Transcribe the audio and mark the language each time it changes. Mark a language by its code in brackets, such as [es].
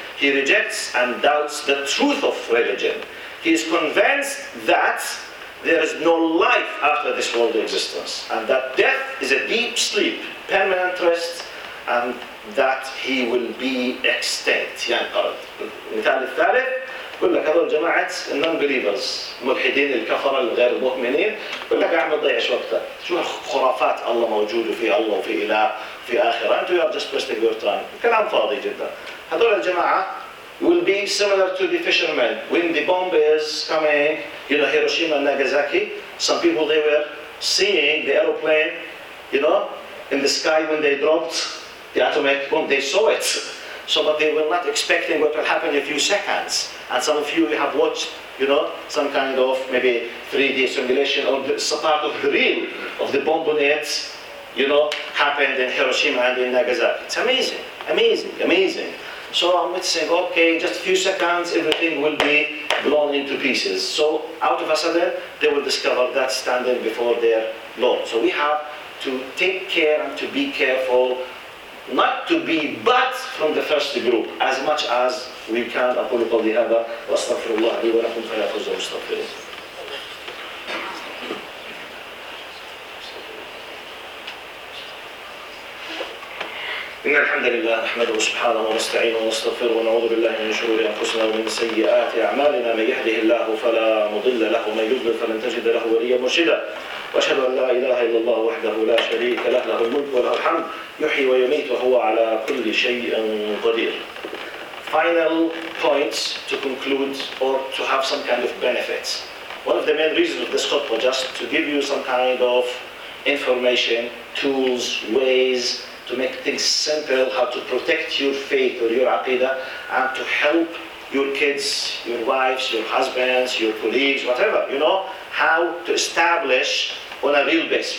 [en] He rejects and doubts the truth of religion. He is convinced that there is no life after this world existence, and that death is a deep sleep, permanent rest, and that he will be extinct. [ar] ينقرض. المثال الثالث, يقول لك هذول جماعة non-believers, ملحدين الكفرة الغير المؤمنين, يقول لك يا عم تضيعش وقتك, شو خرافات الله موجود وفي الله وفي إله وفي آخرة, أنت you are just wasting your time. كلام فاضي جدا. [en] هذول الجماعة will be similar to the fishermen. When the bomb is coming, you know, Hiroshima and Nagasaki, some people, they were seeing the aeroplane, you know, in the sky when they dropped the atomic bomb, they saw it. So, but they were not expecting what will happen in a few seconds. And some of you have watched, you know, some kind of maybe 3D simulation or some part of the real of the bomb when it, you know, happened in Hiroshima and in Nagasaki. It's amazing, amazing, amazing. So I'm saying, okay, just a few seconds, everything will be blown into pieces. So out of a sudden, they will discover that standing before their Lord. So we have to take care and to be careful, not to be but from the first group, as much as we can. [ar] أقول قولي هذا وأستغفر الله لي ولكم فلا فوزوا مستغفرين. إن الحمد لله نحمده سبحانه ونستعينه ونستغفره ونعوذ بالله من شرور أنفسنا ومن سيئات أعمالنا, من يهده الله فلا مضل له ومن يضلل فلن تجد له وليا مرشدا. وأشهد أن لا إله إلا الله وحده لا شريك له, له الملك وله الحمد, يحيي ويميت وهو على كل شيء قدير. [en] Final points to conclude or to have some kind of benefits. One of the main reasons of this khutbah was just to give you some kind of information, tools, ways to make things simple, how to protect your faith or your aqidah, and to help your kids, your wives, your husbands, your colleagues, whatever, you know, how to establish on a real basis.